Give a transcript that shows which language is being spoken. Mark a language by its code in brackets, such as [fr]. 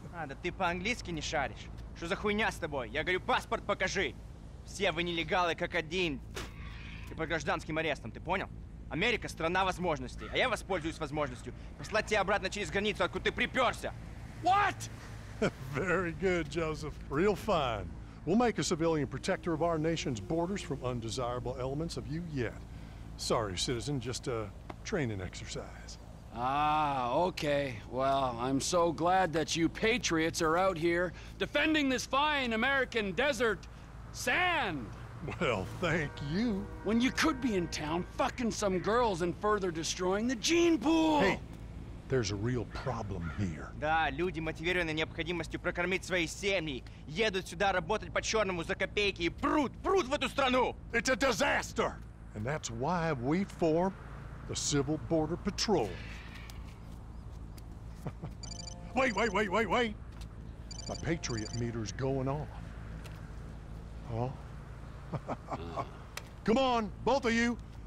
[ru] А, да ты по-английски не шаришь? Что за хуйня с тобой? Я говорю, паспорт покажи. Все вы нелегалы как один. Ты по гражданским арестам, ты понял? Америка — страна возможностей, а я воспользуюсь возможностью послать тебя обратно через границу, откуда ты припёрся. [en] What? Very good, Joseph. Real fine. We'll make a civilian protector of our nation's borders from undesirable elements of you yet. Sorry, citizen, just a training exercise. Ah, okay. Well, I'm so glad that you patriots are out here defending this fine American desert sand. Well, thank you. When you could be in town fucking some girls and further destroying the gene pool! Hey, there's a real problem here. [ru] Да, люди, мотивированные необходимостью прокормить свои семьи, едут сюда работать по-черному за копейки и прут в эту страну! [en] It's a disaster! And that's why we form the Civil Border Patrol. Wait! My Patriot meter's going off. Huh? Come on, both of you.